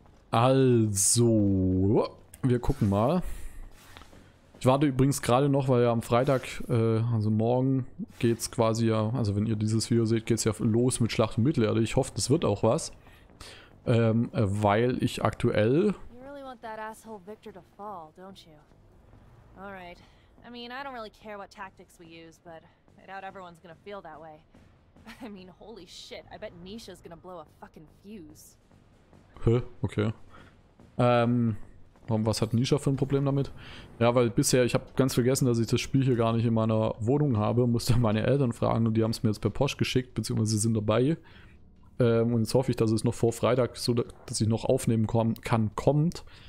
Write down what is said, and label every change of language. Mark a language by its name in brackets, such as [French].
[German] Also, wir gucken mal. Ich warte übrigens gerade noch, weil ja am Freitag, also morgen geht's quasi ja, also wenn ihr dieses Video seht, geht's ja los mit Schlacht um Mittelerde. Ich hoffe, das wird auch was. Weil ich aktuell... [English] You really want that asshole Victor to fall, don't you? Alright. I mean, I don't really care what tactics we use, but I doubt everyone's gonna feel that way. I mean, holy shit, I bet Nisha's gonna blow a fucking fuse. Okay. [German] Was hat Nisha für ein Problem damit? Ja, weil bisher, ich habe ganz vergessen, dass ich das Spiel hier gar nicht in meiner Wohnung habe, musste meine Eltern fragen und die haben es mir jetzt per Post geschickt, beziehungsweise sie sind dabei. Und jetzt hoffe ich, dass es noch vor Freitag, so dass ich noch aufnehmen kann, kommt.